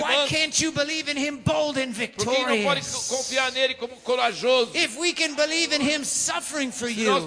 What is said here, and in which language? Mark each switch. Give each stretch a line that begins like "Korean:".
Portuguese: e manso,
English: why can't you believe in him bold and victorious?
Portuguese: Por que não pode confiar nele como corajoso?
English: If we can believe in him suffering for you,